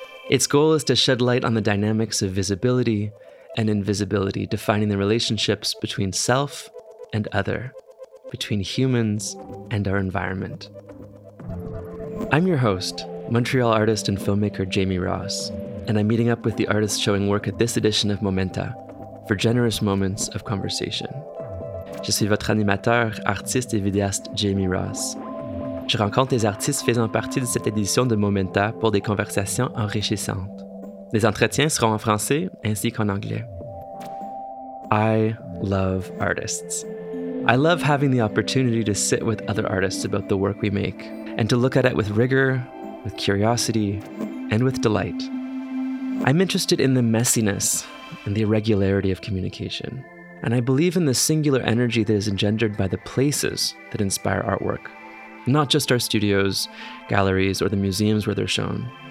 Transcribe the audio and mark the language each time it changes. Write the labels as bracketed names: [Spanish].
[English] Its goal is to shed light on the dynamics of visibility and invisibility, defining the relationships between self and other, between humans and our environment. I'm your host, Montreal artist and filmmaker Jamie Ross, and I'm meeting up with the artists showing work at this edition of Momenta for generous moments of conversation. [French] Je suis votre animateur, artiste et vidéaste Jamie Ross. Je rencontre des artistes faisant partie de cette édition de Momenta pour des conversations enrichissantes. Les entretiens seront en français ainsi qu'en anglais. [English] I love artists. I love having the opportunity to sit with other artists about the work we make and to look at it with rigor, with curiosity, and with delight. I'm interested in the messiness and the irregularity of communication, and I believe in the singular energy that is engendered by the places that inspire artwork, not just our studios, galleries, or the museums where they're shown.